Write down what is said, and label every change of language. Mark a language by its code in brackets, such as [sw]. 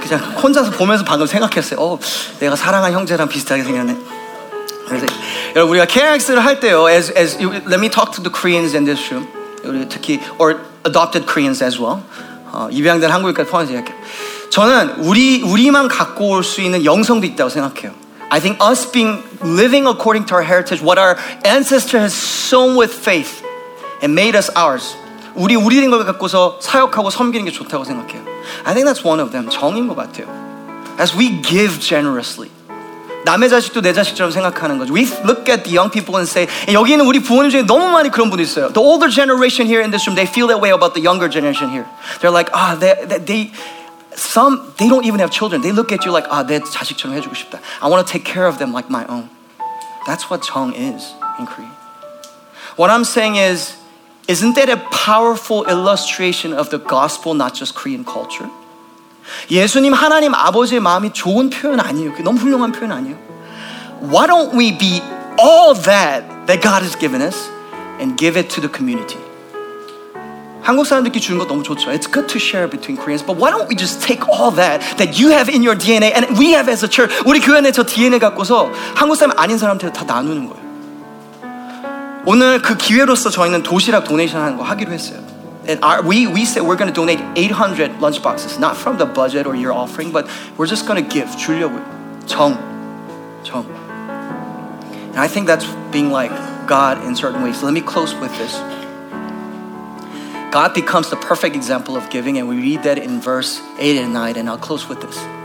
[ko] 그냥 혼자서 보면서 방금 생각했어요. 내가 사랑한 형제랑 비슷하게 생겼네. 여러분, 우리가 KX를 할 때요. [en] Let me talk to the Koreans in this room. [ko] 우리 특히 [en] or adopted Koreans as well. [ko] 입양된 한국인까지 포함해서 얘기할게요. 저는 우리만 갖고 올 수 있는 영성도 있다고 생각해요. [en] I think us living according to our heritage, what our ancestors have sown with faith and made us ours. [ko] 우리 된 걸 갖고서 사역하고 섬기는 게 좋다고 생각해요. [en] I think that's one of them. [ko] 정인 것 같아요. [en] As we give generously. [ko] 남의 자식도 내 자식처럼 생각하는 거죠. [en] We look at the young people and say, [ko] 여기 있는 우리 부모님 중에 너무 많이 그런 분 있어요. [en] The older generation here in this room, they feel that way about the younger generation here. They're like, they don't even have children. They look at you like, [ko] 내 자식처럼 해주고 싶다. [en] I want to take care of them like my own. That's what 정 is in Korean. What I'm saying is, isn't that a powerful illustration of the gospel, not just Korean culture? [ko] 예수님, 하나님 아버지의 마음이 좋은 표현 아니에요. 너무 훌륭한 표현 아니에요. [en] Why don't we be all that God has given us and give it to the community? [ko] 한국 사람들께 주는 거 너무 좋죠. [en] It's good to share between Koreans, but why don't we just take all that you have in your DNA and we have as a church, [ko] 우리 교회 내 저 DNA 갖고서 한국 사람 아닌 사람한테 다 나누는 거예요. 오늘 그 기회로서 저희는 도시락 도네이션 하는 거 하기로 했어요. [en] And we said we're going to donate 800 lunchboxes, not from the budget or your offering, but we're just going to give, [ko] 주려고요. 정. [en] And I think that's being like God in certain ways. So let me close with this. God becomes the perfect example of giving, and we read that in verse 8 and 9, and I'll close with this.